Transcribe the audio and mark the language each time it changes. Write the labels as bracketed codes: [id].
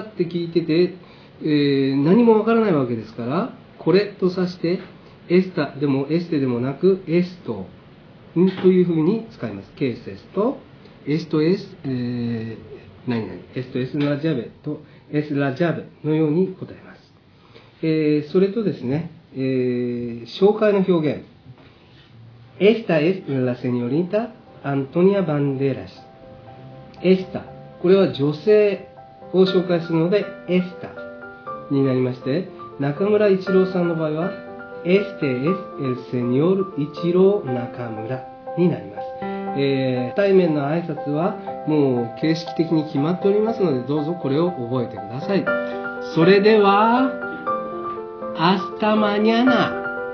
[ja] って聞いてて、何もわからないわけですから、これと指して、エスタでもエステでもなく、エスト、というふうに使います。ケースですと、esto es、何々、 [es] esto es la llave [ja] と、 [es] es la llave [ja] のように答えます。それとですね、紹介の表現。 [es] esta es la señorita Antonia Banderas。 [ja] esta、これは女性を紹介するので、esta になりまして、中村一郎さんの場合は、 [es] este es el señor [ja] 一郎中村。になります。対面の挨拶はもう形式的に決まっておりますので、どうぞこれを覚えてください。それでは、 [es] hasta mañana!